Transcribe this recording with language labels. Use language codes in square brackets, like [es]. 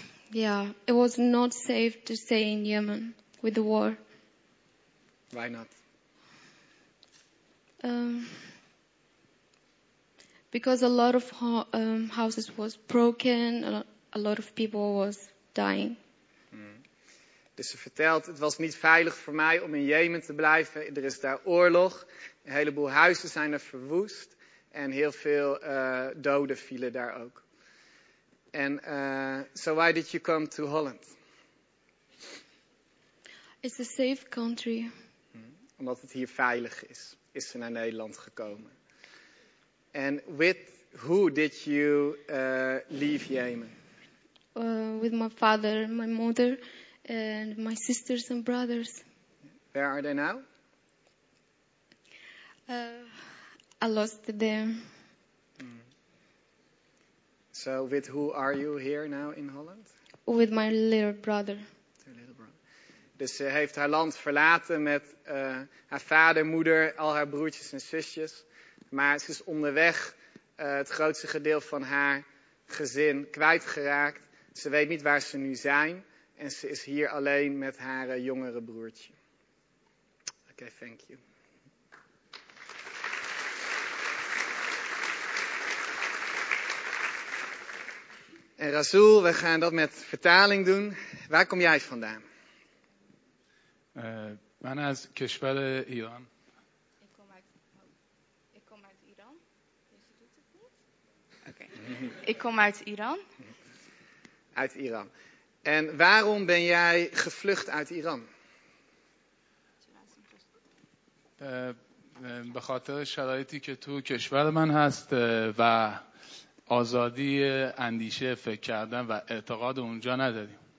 [en] Yeah, it was not safe to stay in Yemen with the war. Why not? Because a lot of houses was broken, a lot of people was dying. [nl] Dus ze vertelt, het was niet veilig voor mij om in Jemen te blijven. Er is daar oorlog. Een heleboel huizen zijn er verwoest. En heel veel doden vielen daar ook. [en] And so why did you come to Holland? It's a safe country. [nl] Omdat het hier veilig is, is ze naar Nederland gekomen. [en] And with who did you leave Yemen? With my father and my mother. And my sisters and brothers. Where are they now? I lost them. Mm. So with who are you here now in Holland? With my little brother. Your little brother. [nl] Dus ze heeft haar land verlaten met haar vader, moeder, al haar broertjes en zusjes. Maar ze is onderweg het grootste gedeelte van haar gezin kwijtgeraakt. Ze weet niet waar ze nu zijn. En ze is hier alleen met haar jongere broertje. Oké, [en] thank you. [nl] En Rasul, we gaan dat met vertaling doen. Waar kom jij vandaan? Mijn naam is Kishwele, Iran. Ik kom uit Iran. Je doet het niet? Oké. Ik kom uit Iran. Uit Iran. En waarom ben jij gevlucht uit Iran? [fa] به خاطر شرایطی که تو کشور من هست و آزادی اندیشه فکر کردن و اعتقاد اونجا نداریم.